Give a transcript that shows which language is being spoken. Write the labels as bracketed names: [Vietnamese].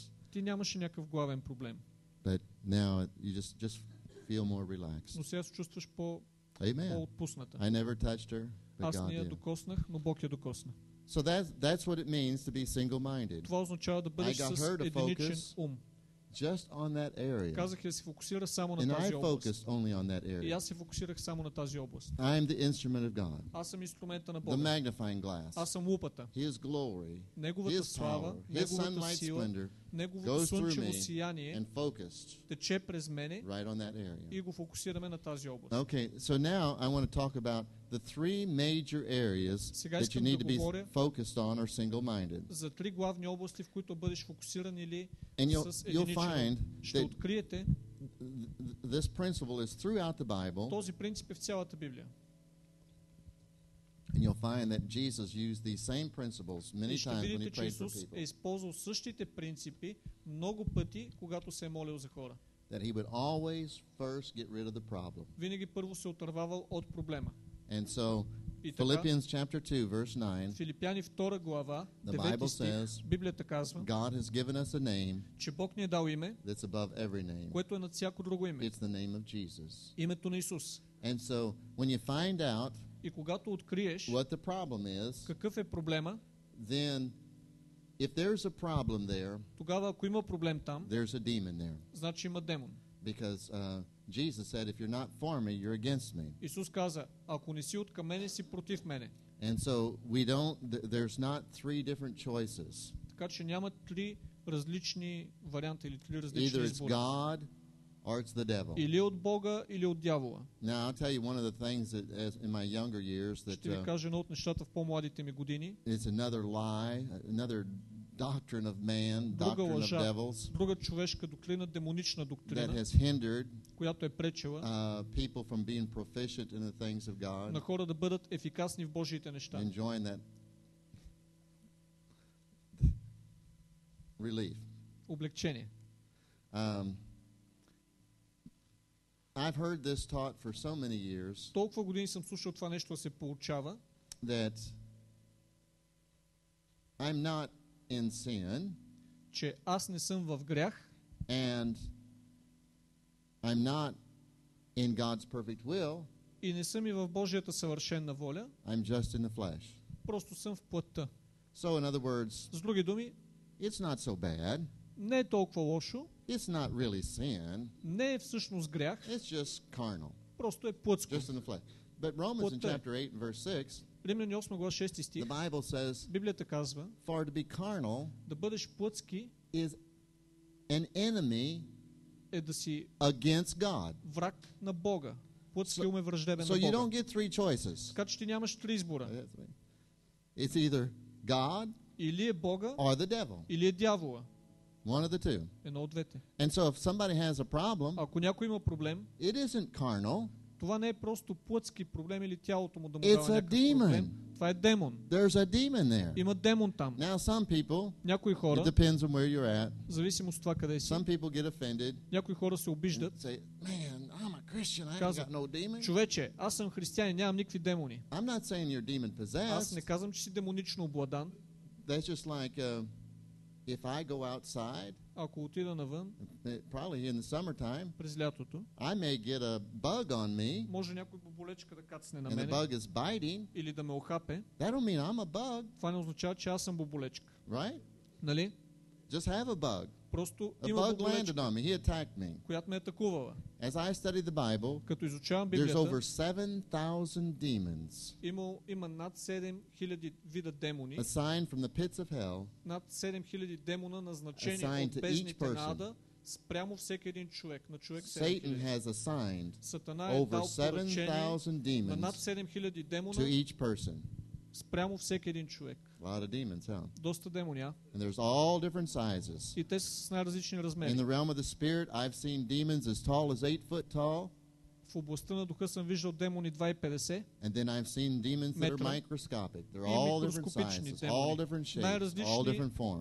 [Bulgarian] Ти нямаше някакъв главен проблем. [English] But now you just feel more relaxed. [Bulgarian] Но сега се чувстваш по-отпусната. [English] I never touched her, but [Bulgarian] аз [English] God [Bulgarian] не я докоснах, но Бог я докосна. [English] So that's what it means to be single-minded. [Bulgarian] Това означава да бъдеш с единичен ум. [English] Just on that area. [Bulgarian] Казах да се фокусира само на [English] and [Bulgarian] тази [English] I [Bulgarian] област. [English] Focused only on that area. [Bulgarian] И аз се фокусирах само на тази област. [English] I'm the instrument of God. [Bulgarian] Аз съм инструмента на Бога. [English] The magnifying glass. [Bulgarian] Аз съм лупата. [English] His glory. [Bulgarian] Неговата [English] his [Bulgarian] слава, [English] his [Bulgarian] неговата сила, [English] splendor, [Bulgarian] неговото слънчево сияние [English] and focused [Bulgarian] тече през мене [English] right on that area. [Bulgarian] И го фокусираме на тази област. [English] Okay, so now I want to talk about the three major areas that you need to be focused on or single-minded. [Bulgarian] За три главни области, в които бъдеш фокусиран или [English] and you'll find [Bulgarian] that откриете, [English] this principle is throughout the Bible. [Bulgarian] Този принцип е в цялата Библия. [English] And you'll find that Jesus used these same principles many times when he prayed for people. [Bulgarian] Е използвал същите принципи много пъти, когато се е молил за хора. [English] that he would always first get rid of the problem. [Bulgarian] Винаги първо се отървавал от проблема. [English] And so Philippians chapter 2 verse 9. [Bulgarian] Филипяни 2 глава, 9 стих. Библията казва: [English] God has given us a name. [Bulgarian] Че Бог ни е дал име. [English] That's above every name. [Bulgarian] Което е над всяко друго име. [English] It's the name of Jesus. [Bulgarian] Името на Исус. [English] And so when you find out [Bulgarian] и когато откриеш [English] what the problem is, [Bulgarian] какъв е проблема, [English] then if there's a problem there, [Bulgarian] тогава ако има проблем там, [English] there's a demon there. [Bulgarian] Значи има демон. [English] Because Jesus said, if you're not for me, you're against me. [Bulgarian] Исус каза, ако не си откъм мене, си против мене. [English] And so we don't, there's not three different choices. [Bulgarian] Така че няма три различни варианта или три различни избора. [English] Either it's God or it's the devil. [Bulgarian] Или от Бога, или от дявола. [English] Now I'll tell you one of the things that as in my younger years that [Bulgarian] ще ви кажа едно от нещата в по-младите ми години. [English] It's another lie, another doctrine of man, doctrine [Bulgarian] лъжа, [English] of devils. [Bulgarian] Друга човешка доктрина, демонична доктрина. [English] That has hindered [Bulgarian] която е пречела [English] people from being proficient in the things of God. [Bulgarian] На хора да бъдат ефикасни в Божиите неща. [English] Enjoying that relief. [Bulgarian] Облекчение. [English] I've heard this taught for so many years. [Bulgarian] Толкова години съм слушал това нещо да се получава. [English] That I'm not in sin. [Bulgarian] Че аз не съм в грях. [English] And I'm not in God's perfect will. [Bulgarian] И не съм и в Божията съвършена воля. [English] I'm just in the flesh. [Bulgarian] Просто съм в плътта. [English] So in other words, [Bulgarian] с други думи, [English] it's not so bad. [Bulgarian] Не е толкова лошо. [English] It's not really sin. [Bulgarian] Не е всъщност грях. [English] It's just carnal. [Bulgarian] Просто е плътско. [English] Just in the flesh. But Romans [Bulgarian] плътта. [English] In chapter 8 and verse 6, [Bulgarian] Римляни 8 глава 6 стих. [English] The Bible says, [Bulgarian] Библията казва, [English] for to be carnal, [Bulgarian] да бъдеш плътски, [English] is an enemy [Bulgarian] е да си [English] against God. [Bulgarian] Враг на Бога. Плътски ум е враждебен [English] so [Bulgarian] на [English] you [Bulgarian] Бога. [English] Don't get three choices. [Bulgarian] Така че ти нямаш три избора. [English] It's either God [Bulgarian] или е Бога, [English] or the devil. [Bulgarian] Или е дявола. [English] One of the two. [Bulgarian] Едно от двете. [English] And so if somebody has a problem, [Bulgarian] ако някой има проблем, [English] it isn't carnal. [Bulgarian] Това не е просто плътски проблем или тялото му да му [English] it's [Bulgarian] дава някакъв проблем. Това е демон. [English] There's a demon there. [Bulgarian] Има демон там. [English] Now some people, [Bulgarian] някои хора, [English] it depends on where you're at, [Bulgarian] зависимо от това къде си, [English] some people get offended, [Bulgarian] някои хора се обиждат, [English] say, man, I'm a Christian, I ain't got no demon. [Bulgarian] Човече, аз съм християнин, нямам никакви демони. [English] I'm not saying you're demon possessed. [Bulgarian] Аз не казвам, че си демонично обладан. [English] That's just like, if I go outside, [Bulgarian] ако отида навън, [English] probably in the summertime, [Bulgarian] през лятото, [English] I may get a bug on me, [Bulgarian] може някой боболечка да кацне на мене, [English] and the bug is biting, [Bulgarian] или да ме охапе, [English] that don't mean I'm a bug. [Bulgarian] Това не означава, че аз съм боболечка. [English] Right? [Bulgarian] Нали? [English] Just have a bug. [Bulgarian] Просто [English] a [Bulgarian] има [English] bug landed on me. He attacked me. [Bulgarian] Която ме атакувала. [English] As I study the Bible, [Bulgarian] като изучавам Библията, [English] there's over 7,000 demons. [Bulgarian] Има над 7,000 вида демони. [English] Assigned from the pits of hell. [Bulgarian] Над 7,000 демона назначени от бездните на ада спрямо всеки един човек, на човек всеки. [English] Satan has assigned [Bulgarian] Сатана [English] over 7,000 demons. [Bulgarian] Над 7,000 демона [English] to each person. [Bulgarian] Спрямо всеки един човек. [English] A lot of demons, huh? [Bulgarian] Доста демони, а? [English] And there's all different sizes. [Bulgarian] И те са с най-различни размери. [English] In the realm of the spirit, I've seen demons as tall as 8 foot tall. [Bulgarian] В областта на духа съм виждал демони 2,50 метра. [English] And then I've seen demons that are microscopic. They're all different sizes, [Bulgarian] демони. [English] All different shapes, all different forms.